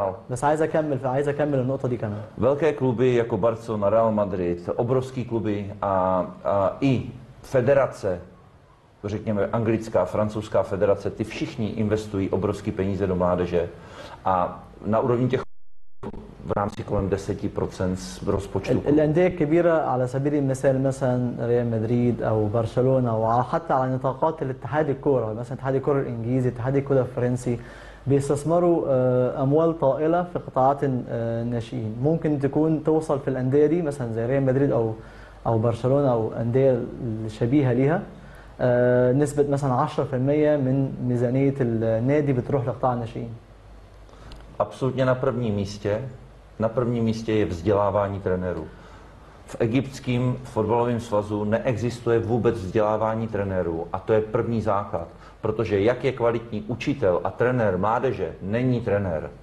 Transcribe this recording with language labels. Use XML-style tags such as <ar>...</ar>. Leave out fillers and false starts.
<ar>بس عايز أكمل، فعايز أكمل النقطة دي كمان.</ar> <cs>Velké kluby jako Barcelona, Real Madrid, obrovské kluby a i federace, řekněme anglická, francouzská federace, ty všichni investují obrovské peníze do mládeže a na úrovni těch</cs> <ar>في رامسي كلهم 10% من الأندية الكبيرة على سبيل المثال، مثلا ريال مدريد أو برشلونة، وحتى على نطاقات الاتحاد الكورة، مثلا اتحاد الكورة الإنجليزي، اتحاد الكورة الفرنسي، بيستثمروا أموال طائلة في قطاعات الناشئين. ممكن تكون توصل في الأندية دي مثلا زي ريال مدريد أو برشلونة أو أندية شبيهة ليها، نسبة مثلا 10% من ميزانية النادي بتروح لقطاع الناشئين.</ar> <cs>Absolutně na prvním místě. Na prvním místě je vzdělávání trenérů. V egyptském fotbalovém svazu neexistuje vůbec vzdělávání trenérů a to je první základ. Protože jak je kvalitní učitel a trenér mládeže, není trenér.</cs>